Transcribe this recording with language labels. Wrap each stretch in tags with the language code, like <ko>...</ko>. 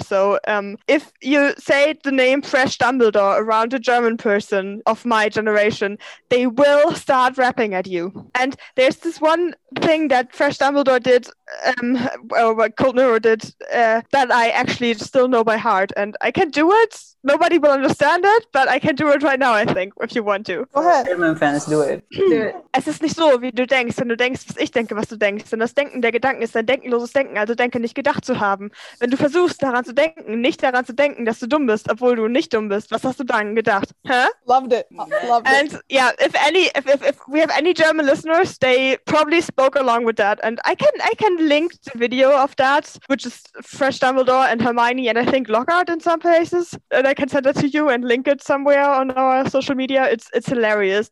<en>So if you say the name Fresh Dumbledore around a German person of my generation, they will start rapping at you. And there's this one thing that Fresh Dumbledore did, what Cold Mirror did, that I actually still know by heart, and I can do it. Nobody will understand it, but I can do it right now, I think, if you want to. Go ahead. German fans, do it. Do it.</en> <de>Es ist nicht so, wie du denkst, wenn du denkst, was ich denke, was du denkst. Denn das Denken der Gedanken ist dein denkenloses Denken, also denke nicht gedacht zu haben. Wenn du versuchst, daran zu denken, nicht daran zu denken, dass du dumm bist, obwohl du nicht dumm bist, was hast du dann gedacht?</de> <en>Huh? Loved it. Loved it. And yeah, if we have any German listeners, they probably spoke along with that. And I can link the video of that, which is Fresh Dumbledore and Hermione, and I think Lockhart in some places. And I can send it to you and link it somewhere on our social media. It's hilarious.</en>